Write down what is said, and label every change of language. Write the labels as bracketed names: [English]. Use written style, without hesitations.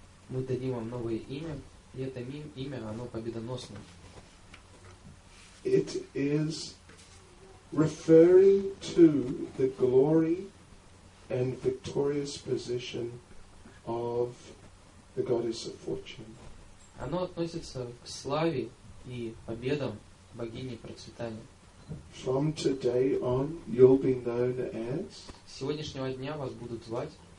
[Russian] Мы дадим вам новое имя, и это имя, оно победоносное. [English] It is referring to the glory and victorious position of the goddess of fortune. [Russian] Оно относится к славе и победам богини процветания. [English] From today on, you'll be known as. [Russian] С сегодняшнего дня вас будут звать